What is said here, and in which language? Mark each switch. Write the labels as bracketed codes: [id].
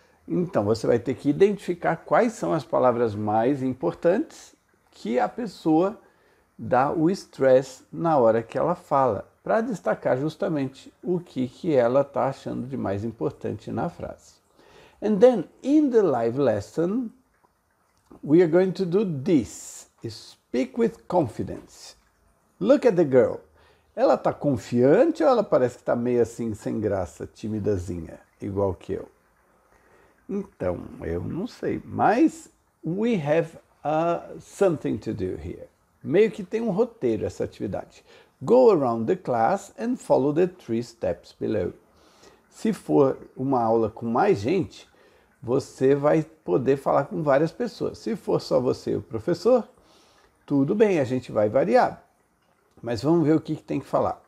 [pt] Então, você vai ter que identificar quais são as palavras mais importantes que a pessoa dá o stress na hora que ela fala, para destacar justamente o que ela está achando de mais importante na frase. [en] And then, in the live lesson, we are going to do this. Speak with confidence. Look at the girl. [pt] Ela está confiante ou ela parece que está meio assim, sem graça, timidazinha, igual que eu? Então, eu não sei, mas [en] we have something to do here. [pt] Meio que tem um roteiro essa atividade. [en] Go around the class and follow the three steps below. [pt] Se for uma aula com mais gente, você vai poder falar com várias pessoas. Se for só você e o professor, tudo bem, a gente vai variar. Mas vamos ver o que tem que falar.